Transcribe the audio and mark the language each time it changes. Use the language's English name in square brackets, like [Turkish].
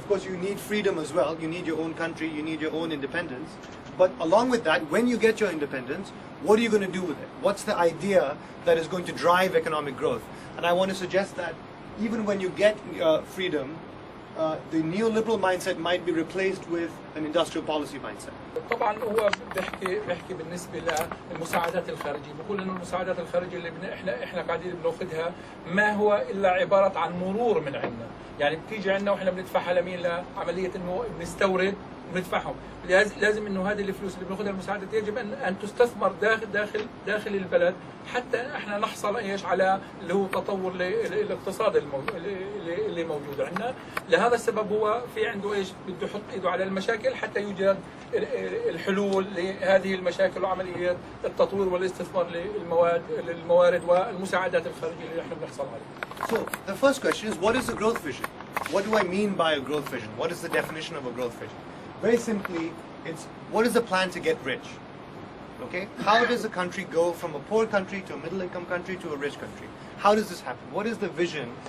[English] Of course, you need freedom as well. You need your own country. You need your own independence. But along with that, when you get your independence, what are you going to do with it? What's the idea that is going to drive economic growth? And I want to suggest that even when you get freedom, the neoliberal mindset might be replaced with an industrial policy mindset. [Arabic] طبعا هو بحكي بالنسبة للمساعدات الخارجية، بقول إنه المساعدات الخارجية اللي إحنا قاعدين بناخذها ما هو إلا عبارة عن مرور من عندنا، يعني بتيجي عندنا وإحنا بندفعها لمين؟ لعملية إنه بنستورد وبندفعهم، لازم إنه هذه الفلوس اللي بناخذها المساعدات يجب أن تستثمر داخل البلد حتى إحنا نحصل إيش على اللي هو تطور الاقتصاد اللي موجود عندنا. لهذا السبب هو في عنده إيش بده يحط إيده على المشاكل حتى يوجد الحلول لهذه المشاكل وعملية التطوير والاستثمار للموارد والمساعدات الخارجية اللي احنا بنحصل عليها. [English] So the first question is, what is a growth vision? What do I mean by a growth vision? What is the definition of a growth vision? Very simply, it's what is the plan to get rich? Okay? How does a country go from a poor country to a middle-income country to a rich country? How does this happen? What is the vision?